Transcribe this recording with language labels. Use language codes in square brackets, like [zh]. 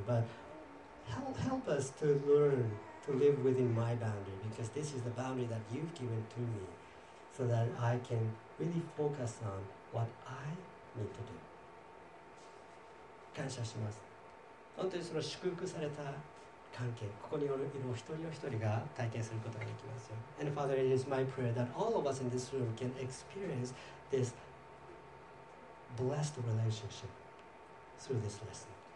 [en] But help us to learn to live within my boundary, because this is the boundary that you've given to me, so that I can really focus on what I need to do. [ja] 感謝します。本当にその祝福された関係、ここにいる一人一人が体験することができますよ。 [en] And Father, it is my prayer that all of us in this room can experience this blessed relationship through this lesson.